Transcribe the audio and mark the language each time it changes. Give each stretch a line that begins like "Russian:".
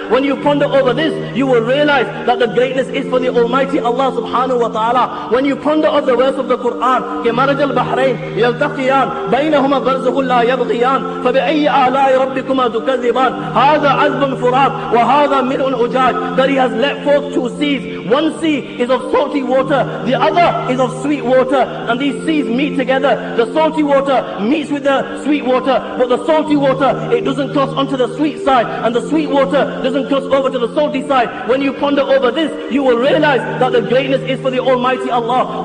English: When you ponder over this, you will realize that the greatness is for the Almighty Allah subhanahu wa ta'ala. When you ponder of the verse of the Quran,
Arabic: كَمَرَجَ الْبَحْرَيْنِ يَلْتَقِيَانِ بَيْنَهُمَا بَرْزُهُمْ لَا يَبْغِيَانِ فَبِأَيِّ آلَاءِ رَبِّكُمَا تُكَذِّبَانِ هَذَا عَذْبٌ فُرَاتٌ وَهَذَا مِلْءٌ أُجَاجٌ,
English: that he has let forth two seas, One sea is of salty water, the other is of sweet water, and these seas meet together. The salty water meets with the sweet water, but the salty water, it doesn't cross onto the sweet side, and the sweet water doesn't cross over to the salty side. When you ponder over this, you will realize that the greatness is for the Almighty Allah.